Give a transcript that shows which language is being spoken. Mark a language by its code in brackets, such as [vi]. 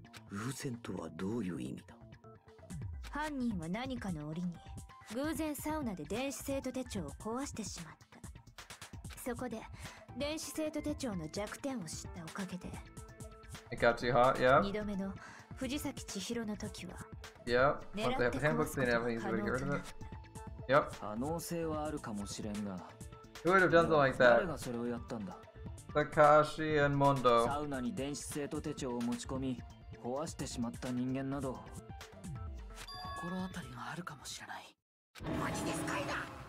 [ja] 偶然とはどういう意味だ。犯人は何かの折に偶然サウナで電子生徒手帳を壊してしまった。そこで電子生徒手帳の弱点を知ったおかげで、 [en] It got too hot, yeah. [ja] 2度目の藤崎千尋の時は、 [en] Yeah, but they have the handbook thing, everything is really good. Yep. [ja] 可能性はあるかもしれんが、 [en] Who would have done something like that? [ja] 誰がそれをやったんだ。 [en] Takashi and Mondo. [ja] サウナに電子生徒手帳を持ち込み壊してしまった人間など心当たりがあるかもしれない。マジですかいな。